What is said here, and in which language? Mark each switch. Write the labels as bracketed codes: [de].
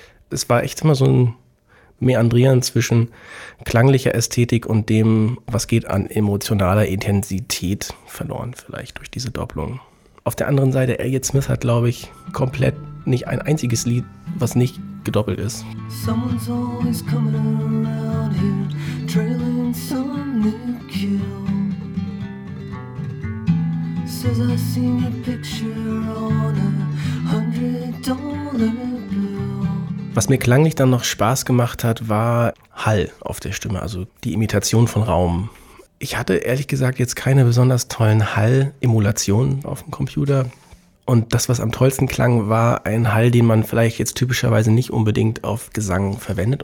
[de] Es war echt immer so ein Mäandrieren zwischen klanglicher Ästhetik und dem, was geht an emotionaler Intensität verloren vielleicht durch diese Doppelung. Auf der anderen Seite, Elliott Smith hat, glaube ich, komplett nicht ein einziges Lied, was nicht gedoppelt ist. [en] Someone's always coming around here, trailing some new kill. Says I seen your picture on a $100 bill. [de] Was mir klanglich dann noch Spaß gemacht hat, war Hall auf der Stimme, also die Imitation von Raum. Ich hatte ehrlich gesagt jetzt keine besonders tollen Hall-Emulationen auf dem Computer. Und das, was am tollsten klang, war ein Hall, den man vielleicht jetzt typischerweise nicht unbedingt auf Gesang verwendet.